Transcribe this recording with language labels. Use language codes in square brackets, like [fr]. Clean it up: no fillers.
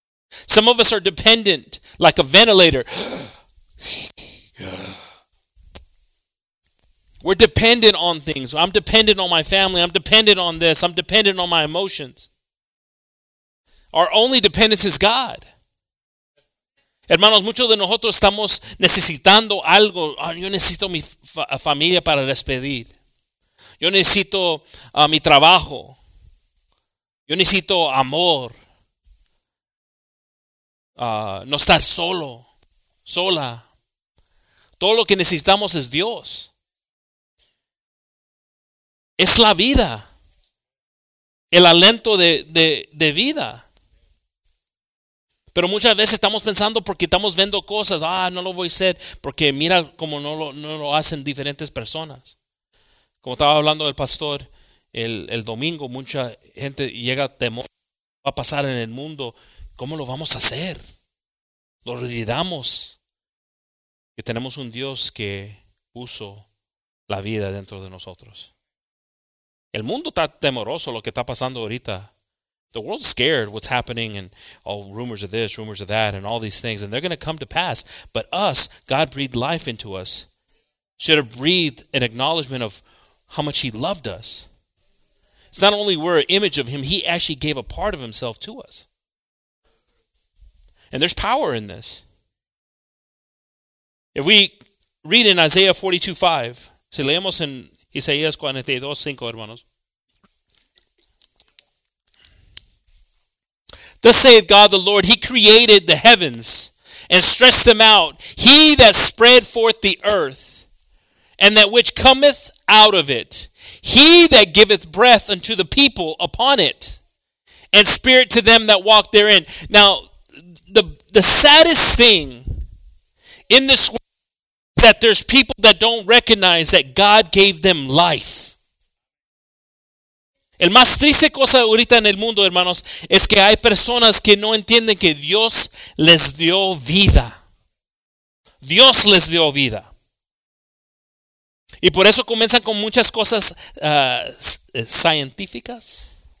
[en] Some of us are dependent like a ventilator. We're dependent on things. I'm dependent on my family. I'm dependent on this. I'm dependent on my emotions. Our only dependence is God. [es] Hermanos, muchos de nosotros estamos necesitando algo. Yo necesito mi familia para despedir. Yo necesito mi trabajo. Yo necesito amor. No estar solo, sola. Todo lo que necesitamos es Dios. Es la vida. El aliento de vida. Pero muchas veces estamos pensando porque estamos viendo cosas. Ah, no lo voy a hacer. Porque mira cómo no lo hacen diferentes personas. Como estaba hablando el pastor, el domingo mucha gente llega a temor. Va a pasar en el mundo. ¿Cómo lo vamos a hacer? Lo olvidamos. Que tenemos un Dios que puso la vida dentro de nosotros. El mundo está temeroso lo que está pasando ahorita. [en] The world's scared what's happening and all rumors of this, rumors of that, and all these things, and they're going to come to pass. But us, God breathed life into us, should have breathed an acknowledgement of how much he loved us. It's not only we're an image of him, he actually gave a part of himself to us. And there's power in this. If we read in Isaiah 42:5, [es] si leemos en Isaías 42:5, hermanos, [en] thus saith God the Lord, he created the heavens and stretched them out. He that spread forth the earth and that which cometh out of it. He that giveth breath unto the people upon it and spirit to them that walk therein. Now, the saddest thing in this world is that there's people that don't recognize that God gave them life. [es] El más triste cosa ahorita en el mundo, hermanos, es que hay personas que no entienden que Dios les dio vida. Dios les dio vida. Y por eso comienzan con muchas cosas científicas.